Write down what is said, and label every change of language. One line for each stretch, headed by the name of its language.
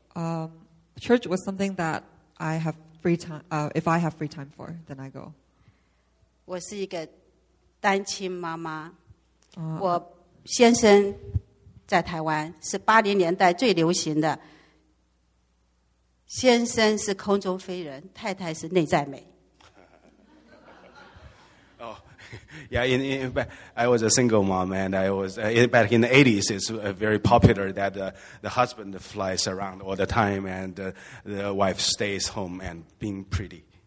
English: Church was something that I have free time. If I have free time for, then I go.
Chinese: 我是一个单亲妈妈。我先生在台湾，是80年代最流行的。先生是空中飞人，太太是内在美。
English: Yeah, I was a single mom, and I was back in the 80s. It's very popular that the husband flies around all the time, and the wife stays home and being pretty.